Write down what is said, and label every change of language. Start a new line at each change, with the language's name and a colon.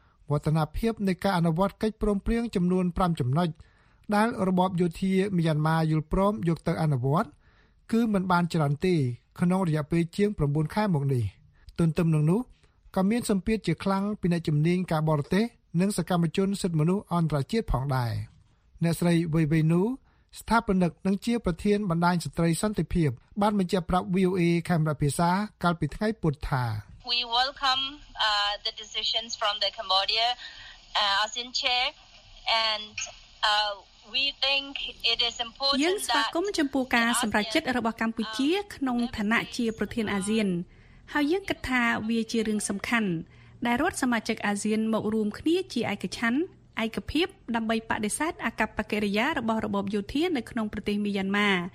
Khmer: វឌ្ឍនភាពនៃការអនុវត្តកិច្ចព្រមព្រៀងចំនួន5ចំណុចដែលរបបយោធាមីយ៉ាន់ម៉ាយល់ព្រមយកទៅអនុវត្តគឺមិនបានច្រើនទេក្នុងរយៈពេលជាង9ខែមកនេះទន្ទឹមនឹងនោះក៏មានសម្ពាធជាខ្លាំងពីអ្នកជំនាញការបរទេសនិងសកម្មជនសិទ្ធិមនុស្សអន្តរជាតិផងដែរអ្នកស្រីវៃវៃនូស្ថាបនិកនិងជាប្រធានបណ្ដាញស្ត្រីសន្តិភាពបានបញ្ជាក់ប្រាប់ VOA ខេមរៈភាសាកាលពីថ្ងៃពុធថា
English: We welcome the decisions from the Cambodia ASEAN chair andWe think it is important
Khmer: យើងស្វាគមន៍ចំពោះការសម្រេចចិត្តរបស់កម្ពុជាក្នុងឋានៈជាប្រធានអាស៊ានហើយយើងគិតថាវាជារឿងសំខាន់ដែលរដ្ឋសមាជិកអាស៊ានមករួមគ្នាជាឯកច្ឆន្ទឯកភាពដើម្បីបដិសេធអកប្បកិរិយារបស់របបយោធានៅក្នុងប្រទេសមីយ៉ាន់ម៉ា